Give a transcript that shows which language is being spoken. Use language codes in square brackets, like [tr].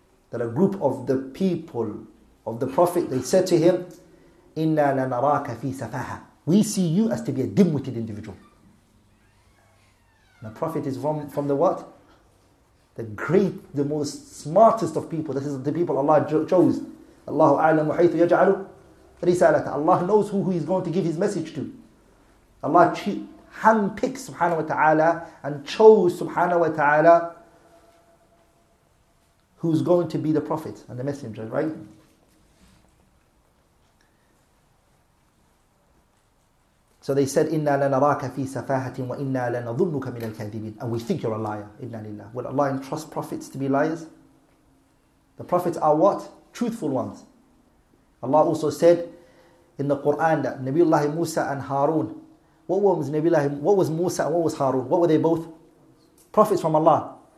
[en] That a group of the people of the Prophet, they said to him, [ar] إِنَّا لَنَرَاكَ فِي سَفَاهَا. [en] We see you as to be a dim-witted individual. The Prophet is from the what? The great, the most smartest of people. This is the people Allah chose. [ar] Allah أَعْلَمُ حَيْثُ يَجْعَلُ رِسَالَةَ. [en] Allah knows who he's going to give his message to. Allah handpicked subhanahu wa ta'ala and chose subhanahu wa ta'ala who's going to be the Prophet and the Messenger, right? So they said, [ar] إِنَّا لَنَرَاكَ فِي سَفَاهَةٍ وَإِنَّا لَنَظُنُّكَ مِنَ الْكَاذِبِينَ. [en] And we think you're a liar. [ar] إِنَّا لِلَّهِ. [en] Will Allah entrust prophets to be liars? The prophets are what? Truthful ones. Allah also said in the Quran that Nabiullah Musa and Harun, what was Musa and what was Harun? What were they both? Prophets from Allah.